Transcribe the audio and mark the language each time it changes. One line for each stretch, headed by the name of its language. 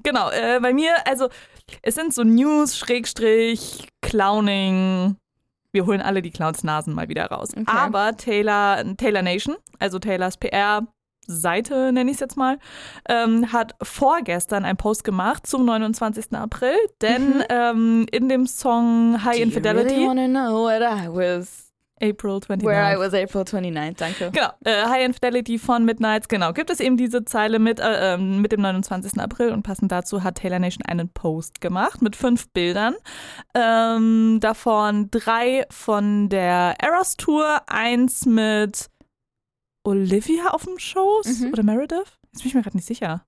German: Genau, bei mir, also es sind so News, / Clowning. Wir holen alle die Clownsnasen mal wieder raus. Okay. Aber Taylor Nation, also Taylors PR-Seite, nenne ich es jetzt mal, hat vorgestern einen Post gemacht zum 29. April, denn in dem Song High Infidelity.
English: Do you really wanna know where I was? April 29th. Where I was April 29th,
German: danke. Genau, High Infidelity von Midnights, genau, gibt es eben diese Zeile mit dem 29. April und passend dazu hat Taylor Nation einen Post gemacht mit 5 Bildern, davon 3 von der Eras Tour, 1 mit Olivia auf dem Schoß oder Meredith? Jetzt bin ich mir gerade nicht sicher.